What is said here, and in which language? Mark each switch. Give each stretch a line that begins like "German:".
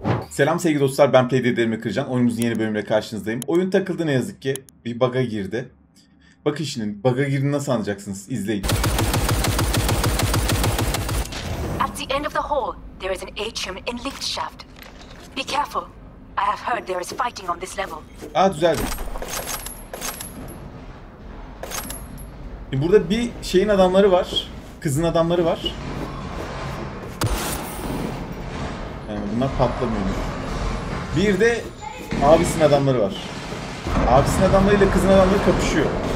Turkish: Selam sevgili dostlar, ben PlayDD'mi kıracağım. Oyunumuzun yeni bölümüyle karşınızdayım. Oyun takıldı ne yazık ki. Bir bug'a girdi. Bakın şimdi bug'a girdi nasıl anlayacaksınız? İzleyin.
English: At the end of the hall, there is an atrium and lift shaft. Be careful. I have heard there is fighting on this level.
Turkish: Aa, düzeldi. Burada bir şeyin adamları var. Kızın adamları var. Bunlar patlamıyor. Bir de abisinin adamları var. Abisinin adamlarıyla kızın adamları kapışıyor.